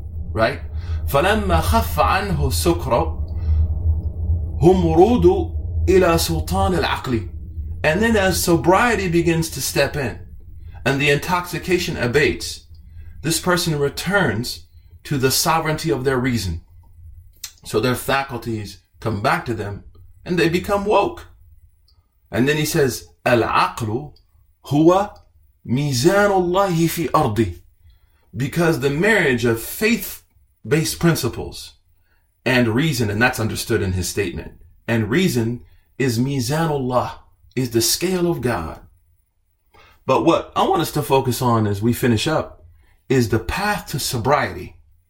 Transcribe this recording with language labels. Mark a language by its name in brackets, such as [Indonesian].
[English] Right? [Arabic] فَلَمَّا خَفَّ عَنْهُ السُّكْرُ هُمْ رُودُ إِلَى سُلْطَانِ الْعَقْلِ. [English] And then as sobriety begins to step in and the intoxication abates, this person returns to the sovereignty of their reason. So their faculties come back to them and they become woke. And then he says, [Arabic] العقل هو ميزان الله في أرضي. [English] Because the marriage of faith-based principles and reason, and that's understood in his statement, and reason is [Arabic] ميزان الله, [English] is the scale of God. But what I want us to focus on as we finish up is the path to sobriety.